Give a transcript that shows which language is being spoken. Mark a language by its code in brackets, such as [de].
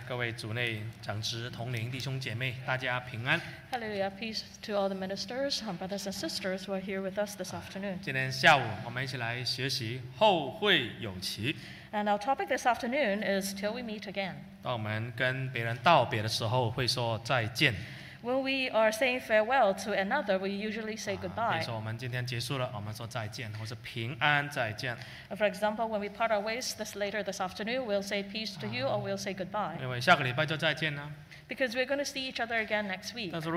[zh] 各位主内长职同龄弟兄姐妹, 大家平安。 [en] Hallelujah. Peace to all the ministers, our brothers and sisters who are here with us this afternoon. [zh] 今天下午我们一起来学习后会有期。 [en] And our topic this afternoon is till we meet again. [zh] 当我们跟别人道别的时候会说再见。 [en] When we are saying farewell to another, we usually say goodbye. [zh] 比如说我们今天结束了,我们说再见,或是平安再见。 [en] For example, when we part our ways this later this afternoon, we'll say peace to you or we'll say goodbye. [zh] 因为下个礼拜就再见了。 [en] Because we're going to see each other again next week.